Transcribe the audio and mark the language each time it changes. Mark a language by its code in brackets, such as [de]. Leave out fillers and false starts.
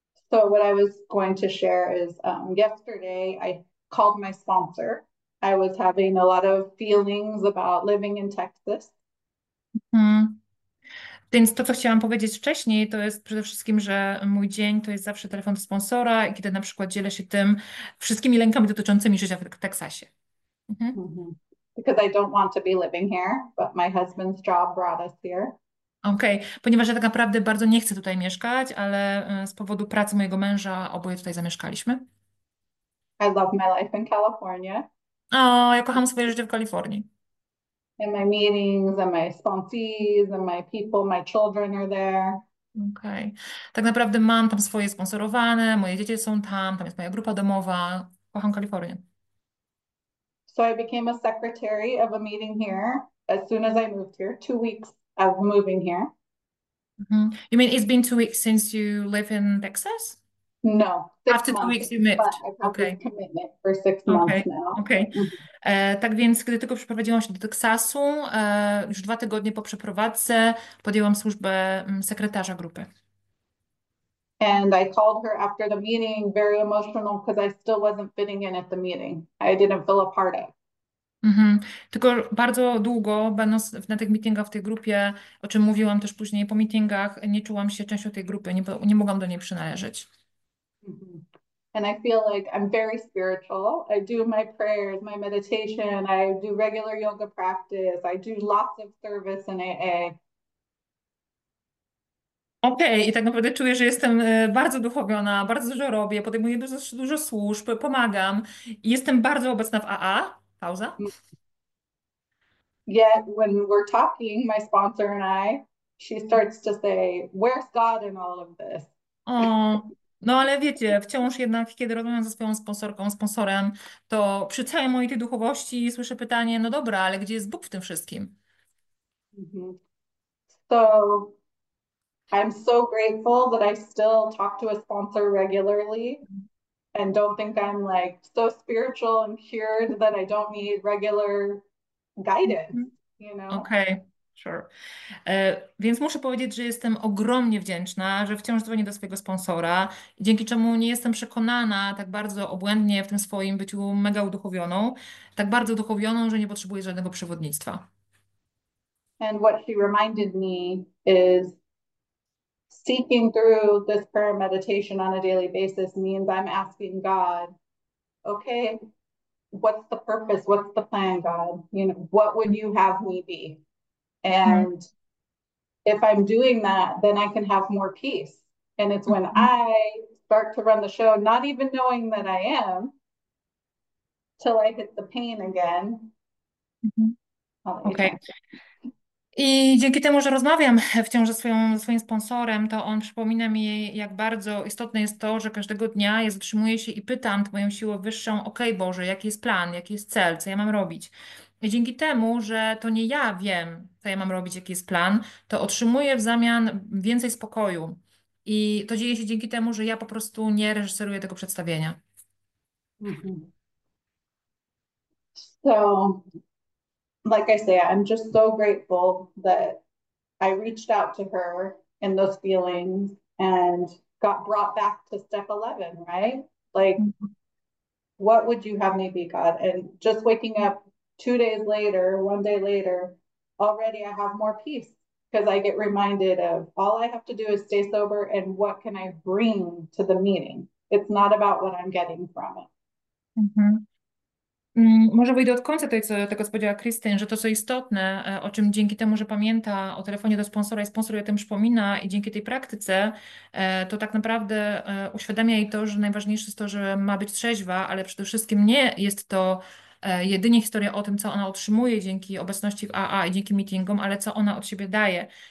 [en] So what I was going to share is yesterday I called my sponsor. I was having a lot of feelings about living in Texas. [pl] Więc to, co chciałam powiedzieć wcześniej, to jest przede wszystkim, że mój dzień to jest zawsze telefon do sponsora, i kiedy na przykład dzielę się tym wszystkimi lękami dotyczącymi życia w Teksasie. [en] Because I don't want to be living here, but my husband's job brought us here. Okej, okay. [pl] Ponieważ ja tak naprawdę bardzo nie chcę tutaj mieszkać, ale z powodu pracy mojego męża oboje tutaj zamieszkaliśmy. [en] I love my life in California. [pl] O, ja kocham swoje życie w Kalifornii. [en] My meetings and my sponsees and my people, my children are there. Okej. Okay. [pl] Tak naprawdę mam tam swoje sponsorowane, moje dzieci są tam, tam jest moja grupa domowa. Kocham Kalifornię. [en] So I became a secretary of a meeting here as soon as I moved here, 2 weeks of moving here. You mean it's been 2 weeks since you live in Texas? No, six After 2 weeks you moved. but I've had this Okay. commitment for 6 months Okay. now. Okay. [pl] Tak więc, gdy tylko przeprowadziłam się do Teksasu, już 2 tygodnie po przeprowadzce podjęłam służbę sekretarza grupy. [en] And I called her after the meeting, very emotional, because I still wasn't fitting in at the meeting. I didn't feel a part of. [pl] Tylko bardzo długo, będąc na tych meetingach w tej grupie, o czym mówiłam też później po meetingach, nie czułam się częścią tej grupy, nie mogłam do niej przynależeć. [en] And I feel like I'm very spiritual. I do my prayers, my meditation, I do regular yoga practice, I do lots of service in AA. [pl] Okej, i tak naprawdę czuję, że jestem bardzo duchowiona, bardzo dużo robię, podejmuję dużo, dużo służb, pomagam i jestem bardzo obecna w AA. Pauza. [en] Yet when we're talking, my sponsor and I, she starts to say, where's God in all of this? [pl] O, no ale wiecie, wciąż jednak, kiedy rozmawiam ze swoją sponsorką, sponsorem, to przy całej mojej tej duchowości słyszę pytanie, no dobra, ale gdzie jest Bóg w tym wszystkim? [en] So I'm so grateful that I still talk to a sponsor regularly and don't think I'm like so spiritual and cured that I don't need regular guidance, you know? Okej, okay, sure. [pl] Więc muszę powiedzieć, że jestem ogromnie wdzięczna, że wciąż dzwonię do swojego sponsora, dzięki czemu nie jestem przekonana tak bardzo obłędnie w tym swoim byciu mega uduchowioną, tak bardzo uduchowioną, że nie potrzebuję żadnego przewodnictwa. [en] And what she reminded me is seeking through this prayer meditation on a daily basis means I'm asking God, okay, what's the purpose? What's the plan, God? You know, what would you have me be? And if I'm doing that, then I can have more peace. And it's when I start to run the show, not even knowing that I am, till I hit the pain again. I'll let you Okay. talk. [pl] I dzięki temu, że rozmawiam wciąż ze swoim sponsorem, to on przypomina mi, jak bardzo istotne jest to, że każdego dnia ja zatrzymuję się i pytam moją siłę wyższą, okej, Boże, jaki jest plan, jaki jest cel, co ja mam robić? I dzięki temu, że to nie ja wiem, co ja mam robić, jaki jest plan, to otrzymuję w zamian więcej spokoju. I to dzieje się dzięki temu, że ja po prostu nie reżyseruję tego przedstawienia. [en] So, like I say, I'm just so grateful that I reached out to her in those feelings and got brought back to step 11, right? Like, what would you have me be, God? And just waking up 2 days later, one day later, already I have more peace because I get reminded of all I have to do is stay sober and what can I bring to the meeting? It's not about what I'm getting from it. [pl] Może wyjdę od końca tego, co powiedziała Krystyn, że to, co istotne, o czym dzięki temu, że pamięta o telefonie do sponsora i sponsor o tym przypomina i dzięki tej praktyce, to tak naprawdę uświadamia jej to, że najważniejsze jest to, że ma być trzeźwa, ale przede wszystkim nie jest to jedynie historia o tym, co ona otrzymuje dzięki obecności w AA i dzięki meetingom, ale co ona od siebie daje.